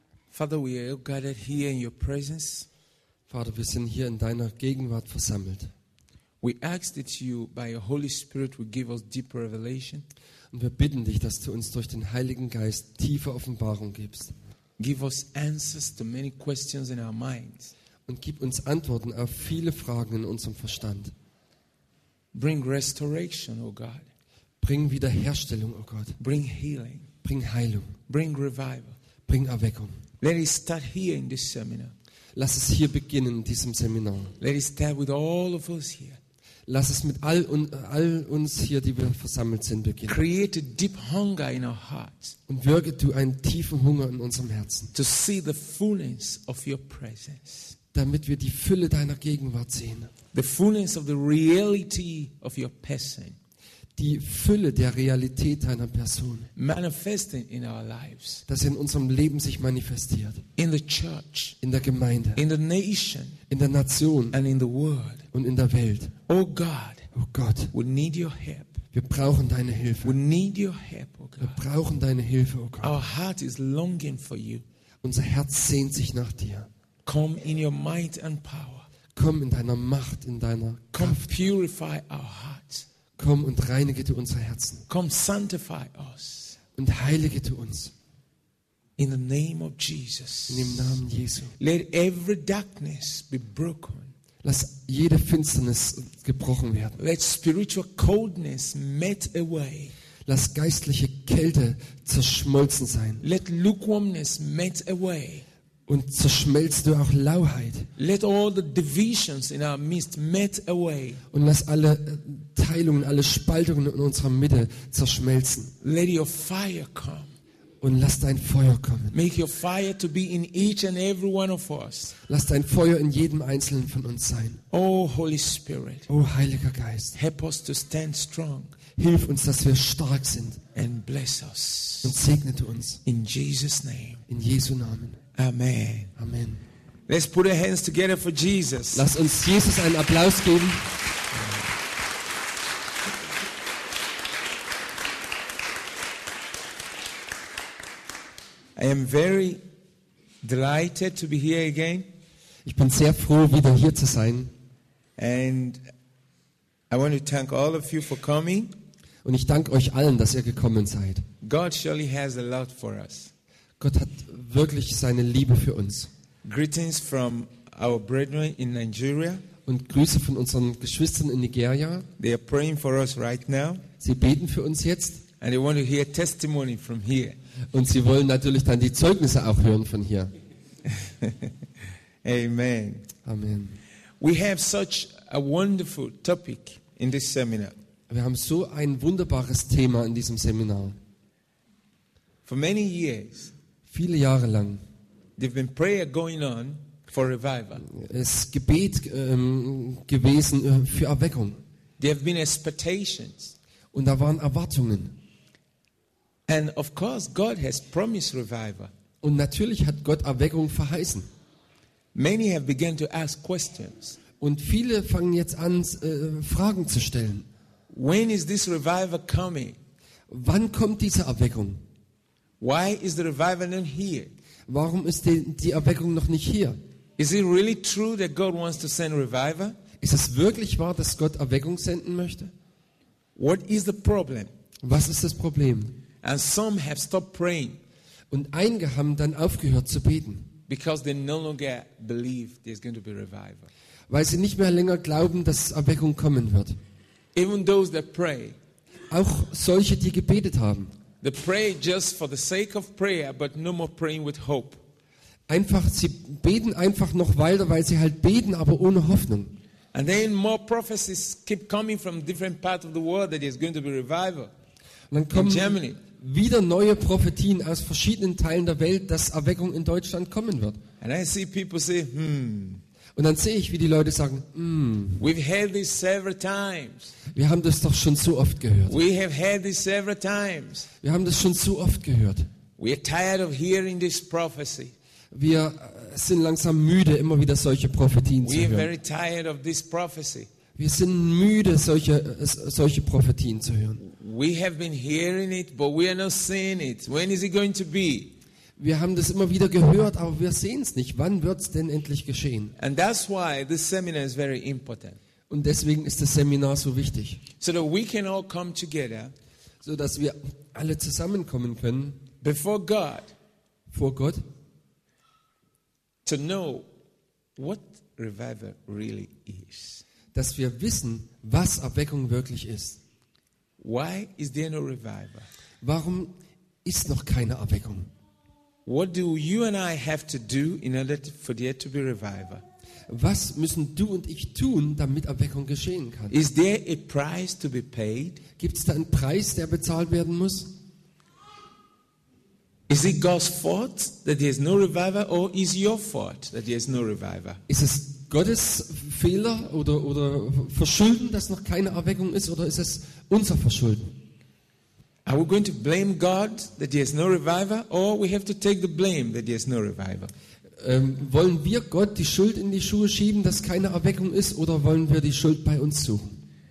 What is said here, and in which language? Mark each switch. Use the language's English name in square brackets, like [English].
[English] Father, we are gathered here in your presence. [German] Vater, wir sind hier in deiner Gegenwart versammelt. [English] We ask that you, by your Holy Spirit, will give us deeper revelation. [German] Und wir bitten dich, dass du uns durch den Heiligen Geist tiefe Offenbarung gibst. [English] Give us answers to many questions in our minds. [German] Und gib uns Antworten auf viele Fragen in unserem Verstand. [English] Bring restoration, oh God. [German] Bring Wiederherstellung, oh Gott. [English] Bring healing. [German] Bring Heilung. [English] Bring revival. [German] Bring Erweckung. [English] Let it start here in this seminar. [German] Lass es hier beginnen in diesem Seminar. [English] Let it start with all of us here. [German] Lass es mit all uns hier, die wir versammelt sind, beginnen. [English] Create a deep hunger in our hearts. [German] Und wirke du einen tiefen Hunger in unserem Herzen. [English] To see the fullness of your presence. [German] Damit wir die Fülle deiner Gegenwart sehen. [English] The fullness of the reality of your person. [German] Die Fülle der Realität deiner Person. [English] Manifesting in our lives. [German] Das in unserem Leben sich manifestiert. [English] In the church. [German] In der Gemeinde. [English] In the nation. [German] In der Nation. [English] And in the world. [German] Und in der Welt. [English] Oh God. [German] Oh Gott. [English] We need your help. [German] Wir brauchen deine Hilfe. [English] We need your help, oh God. [German] Wir brauchen deine Hilfe, oh Gott. [English] Our heart is longing for you. [German] Unser Herz sehnt sich nach dir. [English] Come in your might and power. [German] Komm in deiner Macht, in deiner [English] Come [German] Kraft. [English] Come purify our hearts. [German] Komm und reinige du unsere Herzen. [English] Come sanctify us. [German] Und heilige du uns. [English] In the name of Jesus. [German] In dem Namen Jesu. [English] Let every darkness be broken. [German] Lass jede Finsternis gebrochen werden. [English] Let spiritual coldness melt away. [German] Lass geistliche Kälte zerschmolzen sein. [English] Let lukewarmness melt away. [German] Und zerschmelzt du auch Lauheit. [English] Let all the divisions in our midst melt away. [German] Und lass alle Teilungen, alle Spaltungen in unserer Mitte zerschmelzen. [English] Let your fire come. [German] Und lass dein Feuer kommen. [English] Make your fire to be in each and every one of us. [German] Lass dein Feuer in jedem einzelnen von uns sein. [English] Oh Holy Spirit. [German] Oh Heiliger Geist. [English] Help us to stand strong. [German] Hilf uns, dass wir stark sind. [English] And bless us. [German] Und segne du uns. [English] In Jesus' name. [German] In Jesu Namen. [English] Amen. [German] Amen. [English] Let's put our hands together for Jesus. [German] Lass uns Jesus einen Applaus geben. [English] I am very delighted to be here again. [German] Ich bin sehr froh, wieder hier zu sein. [English] And I want to thank all of you for coming. [German] Und ich danke euch allen, dass ihr gekommen seid. [English] God surely has a lot for us. [German] Gott hat wirklich seine Liebe für uns. [English] Greetings from our brethren in Nigeria. [German] Und Grüße von unseren Geschwistern in Nigeria. [English] They are praying for us right now. [German] Sie beten für uns jetzt. [English] And they want to hear testimony from here. [German] Und sie wollen natürlich dann die Zeugnisse auch hören von hier. [English] Amen. [German] Amen. [English] We have such a wonderful topic in this seminar. [German] Wir haben so ein wunderbares Thema in diesem Seminar. [English] For many years. [German] Viele Jahre lang. [English] There's been prayer going on for revival. [German] Es Gebet gewesen für Erweckung. [English] There have been expectations. [German] Und da waren Erwartungen. [English] And of course God has promised revival. [German] Und natürlich hat Gott Erweckung verheißen. [English] Many have begun to ask questions. [German] Und viele fangen jetzt an Fragen zu stellen. [English] When is this revival coming? [German] Wann kommt diese Erweckung? [English] Why is the revival not here? [German] Warum ist die Erweckung noch nicht hier? [English] Is it really true that God wants to send revival? [German] Ist es wirklich wahr, dass Gott Erweckung senden möchte? [English] What is the problem? [German] Was ist das Problem? [English] And some have stopped praying. [German] Und einige haben dann aufgehört zu beten. [English] Because they no longer believe there's going to be revival. [German] Weil sie nicht mehr länger glauben, dass Erweckung kommen wird. [English] Even those that pray. [German] Auch solche, die gebetet haben. [English] They pray just for the sake of prayer, but no more praying with hope. [German] Einfach, sie beten einfach noch weiter, weil sie halt beten, aber ohne Hoffnung. [English] And then more prophecies keep coming from different parts of the world that there's going to be revival. [German] Und dann kommen wieder neue Prophetien aus verschiedenen Teilen der Welt, dass Erweckung in Deutschland kommen wird. [English] And I see people say, [German] Und dann sehe ich, wie die Leute sagen, [English] We've heard this several times. [German] Wir haben das doch schon so oft gehört. [English] We have heard this several times. [German] Wir haben das schon so oft gehört. [English] We are tired of hearing this prophecy. [German] Wir sind langsam müde, immer wieder solche Prophetien [English] We [German] zu hören. [English] Very tired of this prophecy. [German] Wir sind müde, solche Prophetien zu hören. [English] We have been hearing it, but we are not seeing it. When is it going to be? [German] Wir haben das immer wieder gehört, aber wir sehen es nicht. Wann wird es denn endlich geschehen? [English] And that's why this seminar is very important. [German] Und deswegen ist das Seminar so wichtig. [English] So that we can all come together, [German] so dass wir alle zusammenkommen können, [English] before God, [German] vor Gott, [English] to know what revival really is. [German] Dass wir wissen, was Erweckung wirklich ist. [English] Why is there no revival? [German] Warum ist noch keine Erweckung? [English] What do you and I have to do in order for there to be revival? [German] Was müssen du und ich tun, damit Erweckung geschehen kann? [English] Is there a price to be paid? [German] Gibt's da einen Preis, der bezahlt werden muss? [English] Is it God's fault that there is no revival, or is your fault that there is no revival? [German] Ist es Gottes Fehler oder Verschulden, dass noch keine Erweckung ist, oder ist es unser Verschulden? [English] Are we going to blame God that there is no revival, or we have to take the blame that there is no revival? [German] Wollen wir Gott die Schuld in die Schuhe schieben, dass keine Erweckung ist, oder wollen wir die Schuld bei uns suchen?